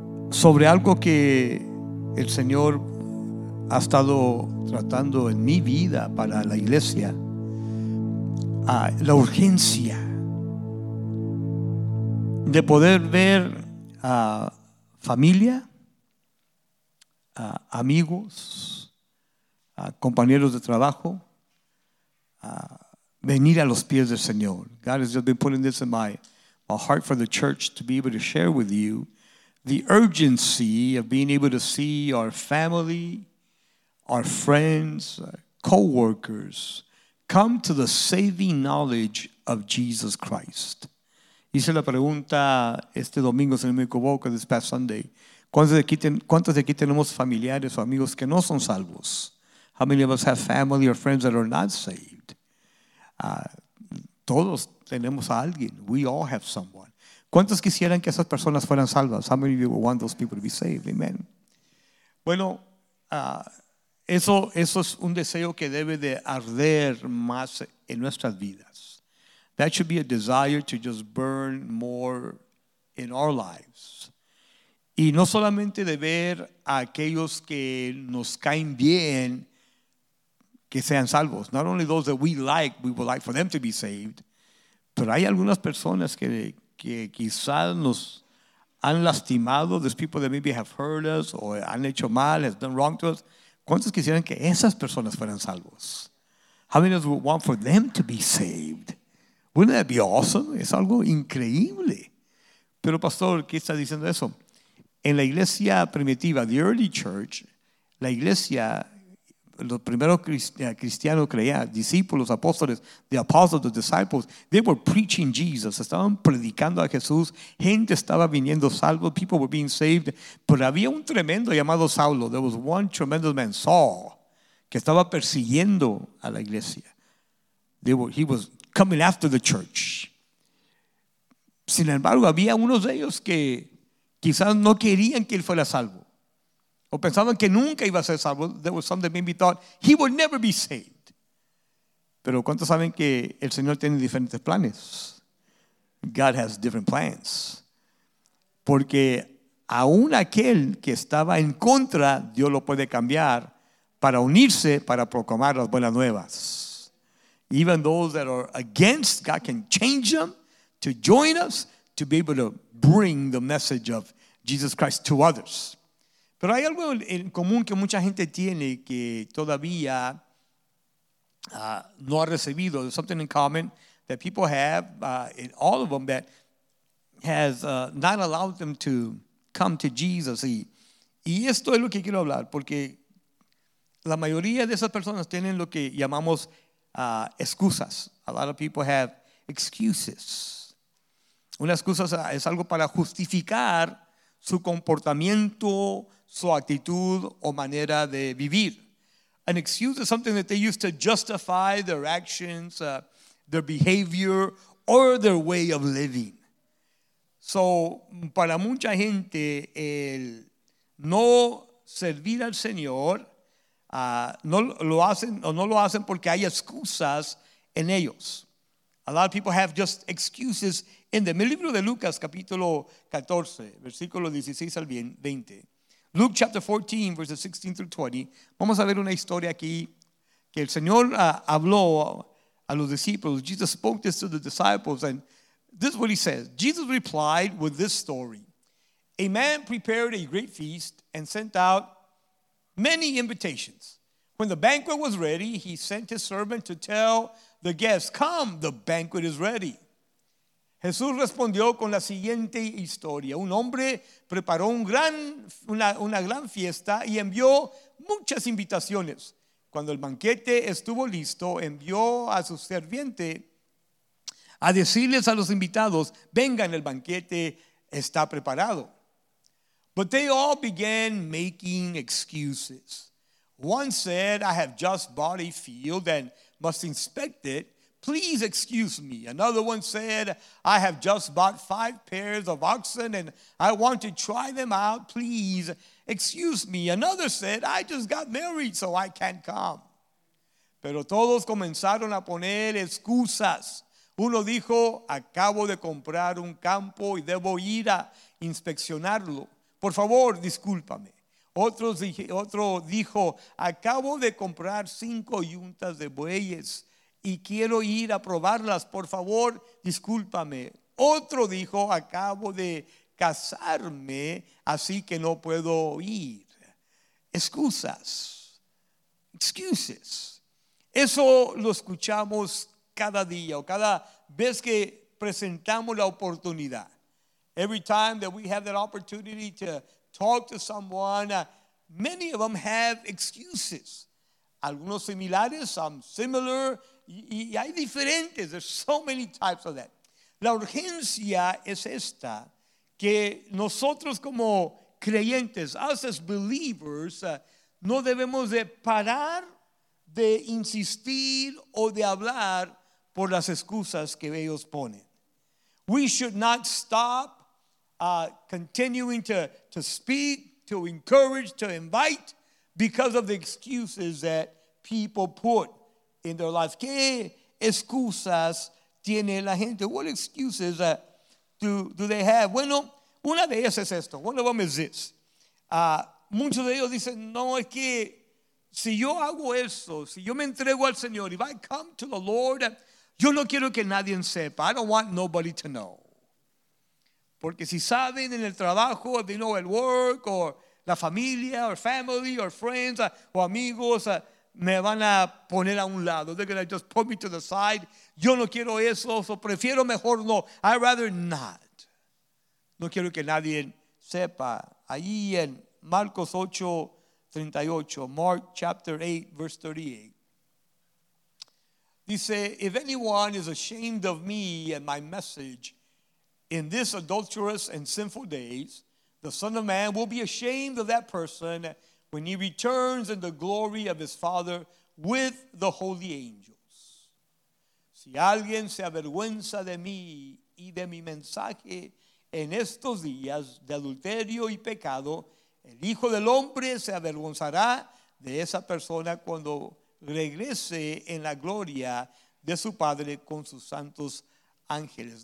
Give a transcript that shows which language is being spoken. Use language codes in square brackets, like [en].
[es] Sobre algo que el Señor ha estado tratando en mi vida para la iglesia, la urgencia de poder ver a familia, a amigos, a compañeros de trabajo, a venir a los pies del Señor. [en] God has just been putting this in my heart for the church to be able to share with you. The urgency of being able to see our family, our friends, our co-workers come to the saving knowledge of Jesus Christ. [es] Hice la pregunta este domingo, si no me equivoco, [en] this past Sunday. [es] ¿Cuántos de aquí tenemos familiares o amigos que no son salvos? [en] How many of us have family or friends that are not saved? [es] Todos tenemos a alguien. [en] We all have someone. [es] ¿Cuántos quisieran que esas personas fueran salvas? [en] How many of you would want those people to be saved? Amen. [es] Bueno, eso es un deseo que debe de arder más en nuestras vidas. [en] That should be a desire to just burn more in our lives. [es] Y no solamente de ver a aquellos que nos caen bien que sean salvos. [en] Not only those that we would like for them to be saved. [es] Pero hay algunas personas que quizás nos han lastimado. [en] There's people that maybe have hurt us or [es] han hecho mal, [en] has done wrong to us. [es] ¿Cuántos quisieran que esas personas fueran salvos? [en] How many of us would want for them to be saved? Wouldn't that be awesome? [es] Es algo increíble. Pero pastor, ¿qué está diciendo eso? En la iglesia primitiva, [en] the early church, [es] la iglesia, los primeros cristianos creían, discípulos, apóstoles, [en] the apostles, the disciples, they were preaching Jesus. [es] Estaban predicando a Jesús. Gente estaba viniendo salvo. [en] People were being saved. [es] Pero había un tremendo llamado Saulo. [en] There was one tremendous man, Saul, [es] que estaba persiguiendo a la iglesia. [en] He was coming after the church. [es] Sin embargo, había unos de ellos que quizás no querían que él fuera salvo. O pensaban que nunca iba a ser salvo. [en] There was some that maybe thought he would never be saved. [es] Pero ¿cuántos saben que el Señor tiene diferentes planes? [en] God has different plans. [es] Porque aún aquel que estaba en contra, Dios lo puede cambiar para unirse, para proclamar las buenas nuevas. [en] Even those that are against, God can change them to join us to be able to bring the message of Jesus Christ to others. [es] Pero hay algo en común que mucha gente tiene que todavía no ha recibido. [en] There's something in common that people have, in all of them, that has not allowed them to come to Jesus. [es] Y esto es lo que quiero hablar, porque la mayoría de esas personas tienen lo que llamamos excusas. [en] A lot of people have excuses. [es] Una excusa es algo para justificar su comportamiento, su actitud o manera de vivir. [en] An excuse is something that they use to justify their actions, their behavior, or their way of living. [es] So, para mucha gente, el no servir al Señor, no lo hacen porque hay excusas en ellos. [en] A lot of people have just excuses in them. [es] El libro de Lucas, capítulo 14, versículo 16 al 20. [en] Luke chapter 14, verses 16 through 20. [es] Vamos a ver una historia aquí que el Señor habló a los discípulos. [en] Jesus spoke this to the disciples, and this is what he says. Jesus replied with this story. A man prepared a great feast and sent out many invitations. When the banquet was ready, he sent his servant to tell the guests, "Come, the banquet is ready." [es] Jesús respondió con la siguiente historia. Un hombre preparó una gran fiesta y envió muchas invitaciones. Cuando el banquete estuvo listo, envió a su sirviente a decirles a los invitados, "Vengan, el banquete está preparado." [en] But they all began making excuses. One said, "I have just bought a field and must inspect it. Please excuse me. Another one said, I have just bought 5 pairs of oxen and I want to try them out. Please excuse me. Another said, I just got married so I can't come. [es] Pero todos comenzaron a poner excusas. Uno dijo, acabo de comprar un campo y debo ir a inspeccionarlo. Por favor, discúlpame. Otro dijo, acabo de comprar 5 yuntas de bueyes y quiero ir a probarlas. Por favor, discúlpame. Otro dijo, acabo de casarme, así que no puedo ir. Excusas. [en] Excuses. [es] Eso lo escuchamos cada día o cada vez que presentamos la oportunidad. [en] Every time that we have that opportunity to talk to someone, many of them have excuses. [es] Algunos similares, [en] some similar, [es] y hay diferentes. [en] There's so many types of that. [es] La urgencia es esta, que nosotros como creyentes, [en] us as believers, [es] no debemos de parar de insistir o de hablar por las excusas que ellos ponen. [en] We should not stop continuing to speak, to encourage, to invite because of the excuses that people put in their lives. [es] ¿Qué excusas tiene la gente? [en] What excuses do they have? [es] Bueno, una de ellas es esto. [en] One of them is this. [es] Muchos de ellos dicen, no, es que si yo hago eso, si yo me entrego al Señor, [en] if I come to the Lord, [es] yo no quiero que nadie sepa. [en] I don't want nobody to know. [es] Porque si saben en el trabajo, [en] if they know at work, or [es] la familia, [en] or family, or friends, [es] o amigos, me van a poner a un lado. [en] They're going to just put me to the side. [es] Yo no quiero eso, so prefiero mejor no. [en] I'd rather not. [es] No quiero que nadie sepa. Allí en Marcos 8:38, [en] Mark chapter 8, verse 38. Dice, if anyone is ashamed of me and my message, in this adulterous and sinful days, the Son of Man will be ashamed of that person when he returns in the glory of his Father with the holy angels. [es] Si alguien se avergüenza de mí y de mi mensaje en estos días de adulterio y pecado, el Hijo del Hombre se avergonzará de esa persona cuando regrese en la gloria de su Padre con sus santos ángeles.